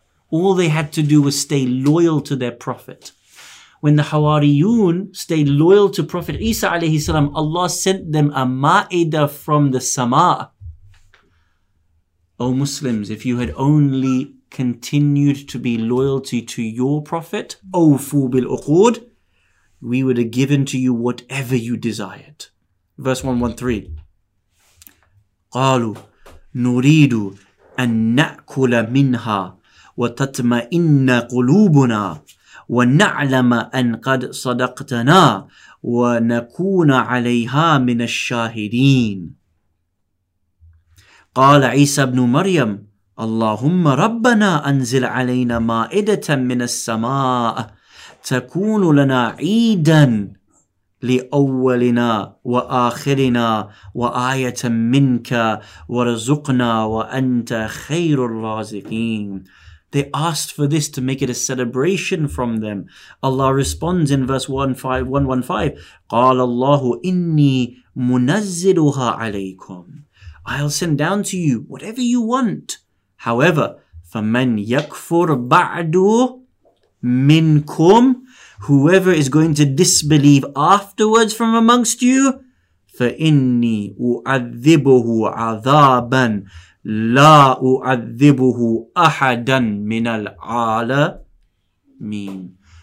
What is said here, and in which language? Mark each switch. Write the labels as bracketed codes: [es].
[en] All they had to do was stay loyal to their prophet. When the Hawariyun stayed loyal to Prophet Isa alayhi salam, Allah sent them a ma'idah from the Sama. O Muslims, if you had only continued to be loyalty to your prophet, [ar] O Fu bil Uqud, [en] we would have given to you whatever you desired. Verse 113. [ar] قالوا نريدو أن نأكل منها وتطمئن قلوبنا ونعلم أن قد صدقتنا ونكون عليها من الشاهدين. قال عيسى بن مريم اللهم ربنا أنزل علينا مائدة من السماء تكون لنا عيدا لأولنا وآخرنا وآية منك ورزقنا وأنت خير الرازقين. [en] They asked for this to make it a celebration from them. Allah responds in verse 115. [ar] قَالَ اللَّهُ إِنِّي مُنَزِّلُهَا عَلَيْكُمْ. [en] I'll send down to you whatever you want. [ar] However, فَمَنْ يَكْفُرْ بَعْدُ مِنْكُمْ, [en] whoever is going to disbelieve afterwards from amongst you, [ar] فَإِنِّي أُعَذِّبُهُ عَذَابًا La u'adhibuhu ahadan min al-'alamin.